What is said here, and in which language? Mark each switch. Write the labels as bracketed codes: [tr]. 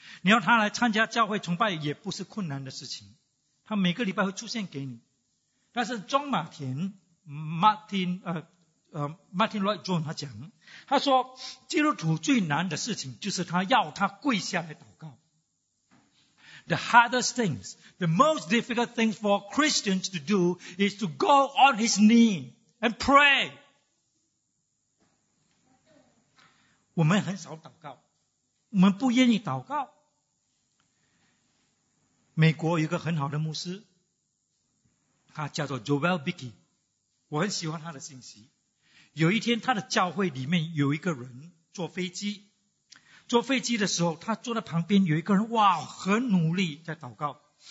[zh] 你要他来参加教会崇拜，也不是困难的事情。他每个礼拜会出现给你，但是中马田 Martin Lloyd Jones 他讲，他说基督徒最难的事情就是他要他跪下来祷告。 [en] The hardest things, the most difficult thing for Christians to do is to go on his knee and pray. [zh] 我们很少祷告，我们不愿意祷告。美国有一个很好的牧师，他叫做 Joel Bickey， 我很喜欢他的信息。有一天他的教会里面有一个人坐飞机，坐飞机的时候，他坐在旁边有一个人，哇，很努力在祷告。